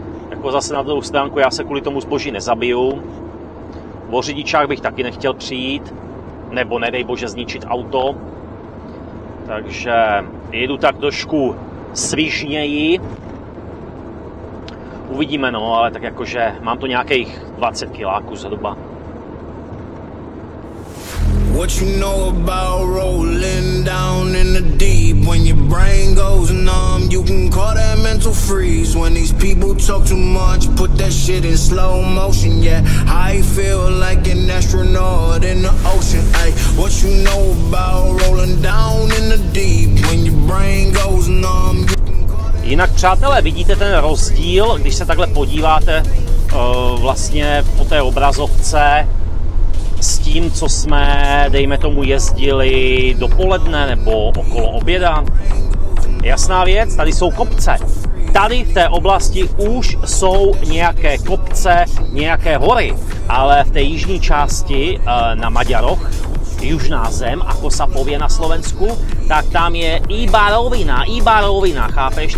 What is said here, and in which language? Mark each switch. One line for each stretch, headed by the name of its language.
Czech: Jako zase na druhou stránku, já se kvůli tomu zboží nezabiju. O řidičách bych taky nechtěl přijít. Nebo nedej bože zničit auto. Takže jedu tak trošku svižněji. Uvidíme, no, ale tak jakože mám tu nějakých 20 kiláků zhruba.
English: What you know about rolling down in the deep? When your brain goes numb, you can call that mental freeze. When these people talk too much, put that shit in slow motion. Yeah, I feel like an astronaut in the ocean. Ay, what you know about rolling down in the deep? When your brain goes numb, you can call that...
Czech: Jinak, přátelé, vidíte ten rozdíl, když se takhle podíváte vlastně po té obrazovce s tím, co jsme, dejme tomu, jezdili dopoledne nebo okolo oběda. Jasná věc, tady jsou kopce. Tady v té oblasti už jsou nějaké kopce, nějaké hory, ale v té jižní části na Maďaroch,
Slovak: južná zem, ako sa povie na Slovensku, tak tam je iba rovina, chápeš?